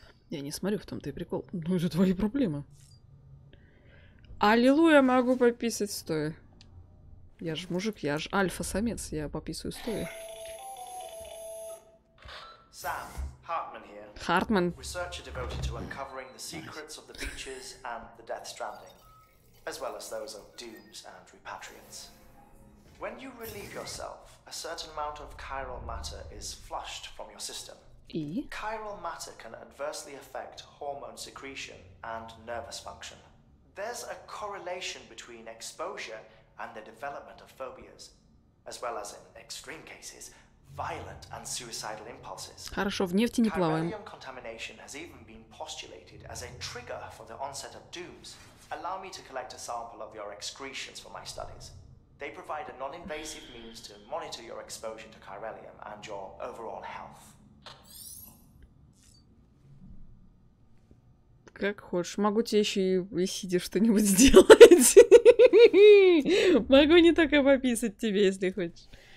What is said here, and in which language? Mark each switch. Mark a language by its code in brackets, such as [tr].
[ru] Я не смотрю, в том-то и прикол. Ну это твои проблемы. Аллилуйя, могу пописать стоя. Я ж мужик, я ж альфа-самец, я пописываю стоя. [en] Сам. Hartman here. Hartman. Researcher devoted to uncovering the secrets of the beaches and the Death Stranding, as well as those of dooms and repatriates. When you relieve yourself, a certain amount of chiral matter is flushed from your system. Chiral matter can adversely affect hormone secretion and nervous function. There's a correlation between exposure and the development of phobias, as well as in extreme cases, violent and suicidal impulses. [ru] Хорошо, в нефти не плаваем. [en] Contamination has even been postulated as a trigger for the onset of dooms, Allow me to collect a sample of your excretions for my studies. They provide a non-invasive means to monitor your exposure to Kyrellium and your overall health. [ru] Как хочешь. Могу тебе еще и сидя что-нибудь сделать. Могу не только пописать тебе, если хочешь.